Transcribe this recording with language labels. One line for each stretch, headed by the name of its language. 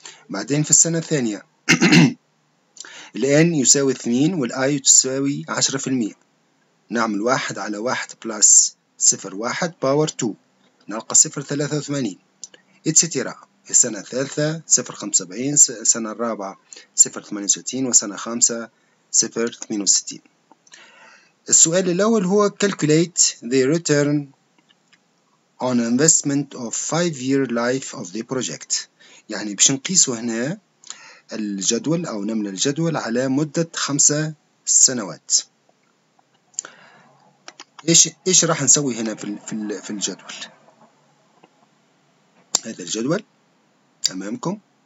Arabic: بعدين في السنة الثانية الـ n يساوي 2 والـ i تساوي 10%، نعمل 1 على 1
English: plus 0.1 power 2
Arabic: نلقى 0.83 etc. السنة الثالثة 0.75، السنة الرابعة 0.68، وسنة خامسة 0.68. السؤال الأول هو
English: calculate the return on investment of 5-year life of the project.
Arabic: يعني باش نقيسوا هنا الجدول أو نملى الجدول على مدة 5 سنوات. إيش راح نسوي هنا في الجدول؟ هذا الجدول أمامكم.